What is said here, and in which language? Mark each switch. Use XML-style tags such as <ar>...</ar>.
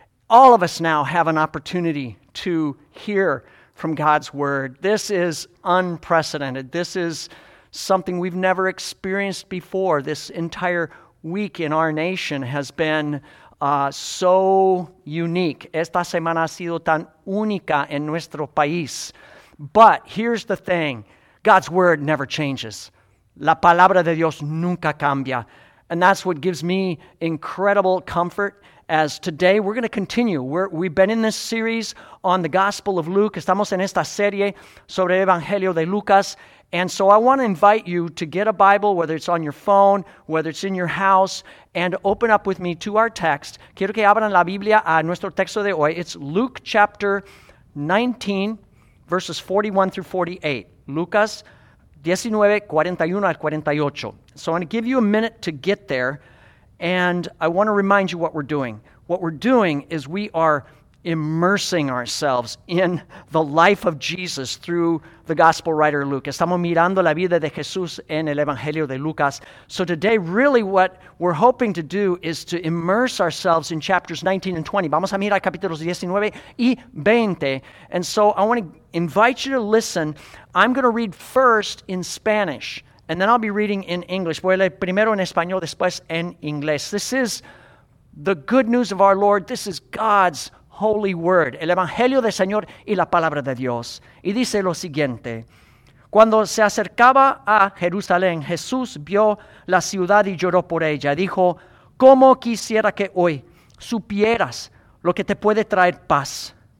<en>All of us now have an opportunity to hear from God's word. This is unprecedented. This is something we've never experienced before. This entire week in our nation has been so unique.</en> <es>Esta semana ha sido tan única en nuestro país.</es> <en>But here's the thing. God's word never changes.</en> <es>La palabra de Dios nunca cambia.</es> <en>And that's what gives me incredible comfort. As today, we're going to continue. We've been in this series on the Gospel of Luke.</en> <es>Estamos en esta serie sobre el Evangelio de Lucas.</es> <en>And so I want to invite you to get a Bible, whether it's on your phone, whether it's in your house, and open up with me to our text.</en> <es>Quiero que abran la Biblia a nuestro texto de hoy.</es> <en>It's Luke chapter 19, verses 41 through 48.</en> <es>Lucas 19, 41 al 48.</es> <en>So I'm going to give you a minute to get there. And I want to remind you what we're doing. What we're doing is we are immersing ourselves in the life of Jesus through the gospel writer Luke.</en> <es>Estamos mirando la vida de Jesús en el Evangelio de Lucas.</es> <en>So today, really what we're hoping to do is to immerse ourselves in chapters 19 and 20.</en> <es>Vamos a mirar capítulos 19 y 20.</es> <en>And so I want to invite you to listen. I'm going to read first in Spanish. And then I'll be reading in English.</en> <es>Voy a leer primero en español, después en inglés.</es> <en>This is the good news of our Lord. This is God's holy word.</en> <es>El Evangelio del Señor y la palabra de Dios. Y dice lo siguiente. Cuando se acercaba a Jerusalén, Jesús vio la ciudad y lloró por ella. Dijo, ¿cómo quisiera que hoy supieras lo que te puede traer paz?</es>